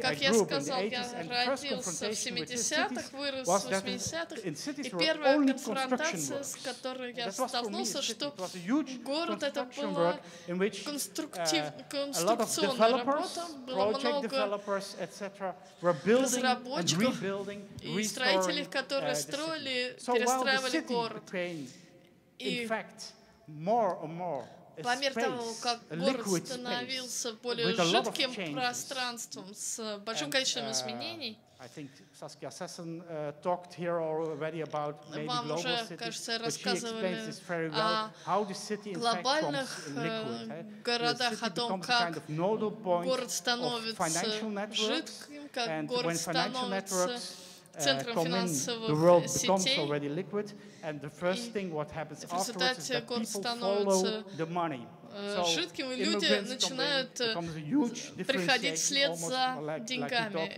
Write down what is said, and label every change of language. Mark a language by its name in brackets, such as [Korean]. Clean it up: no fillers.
[Russian] Как я сказал, я родился в 70-х, вырос в 80-х, и первая конфронтация, с которой я столкнулся, что город — это была конструкционная работа, было много разработчиков и строителей, которые строили, перестраивали город. И по мере того, как город становился более жидким пространством с большим количеством изменений, [English] I think Saskia Sassen talked here already about maybe [Russian] вам уже, кажется, рассказывали глобальных городах, о том, как город становится жидким, как город становится центром финансовых сетей, и в результате город становится жидким, и люди начинают приходить вслед за деньгами.